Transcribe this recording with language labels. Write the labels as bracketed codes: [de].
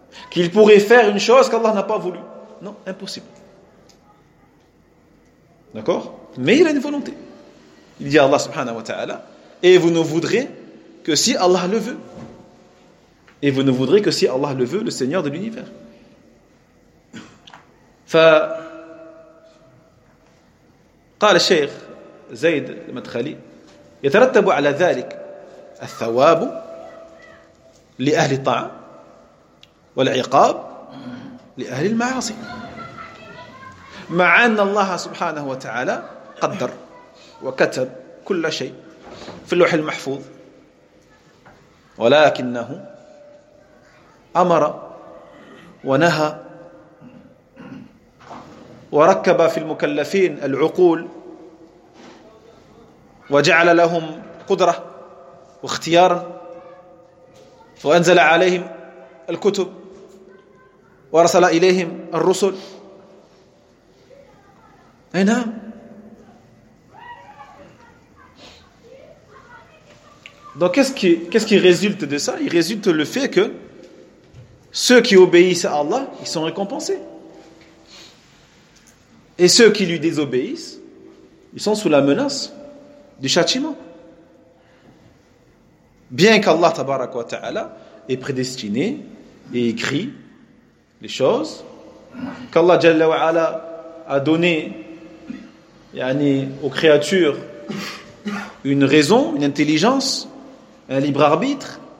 [fr] Qu'il pourrait faire une chose qu'Allah n'a pas voulu. Non, impossible. D'accord ? Mais il a une volonté. Il dit à Allah subhanahu wa ta'ala, Et vous ne voudrez que si Allah le veut. Et vous ne voudrez que si Allah le veut, le Seigneur de l'univers. [ar] قال الشيخ زيد المدخلي يترتب على ذلك الثواب لأهل الطاعة والعقاب لأهل المعاصي مع أن الله سبحانه وتعالى قدر وكتب كل شيء في اللوح المحفوظ ولكنه أمر ونهى وركب في المكلفين العقول وجعل لهم قدرة واختيارا وأنزل عليهم الكتب ورسل إليهم الرسل أي نعم [fr] Donc qu'est-ce qui résulte de ça ? Il résulte le fait que ceux qui obéissent à Allah, ils sont récompensés. Et ceux qui lui désobéissent, ils sont sous la menace du châtiment. Bien qu'Allah tabarak wa ta'ala est prédestiné et écrit les choses, qu'Allah jalla wa ala a donné yani, aux créatures une raison, une intelligence, un libre arbitre.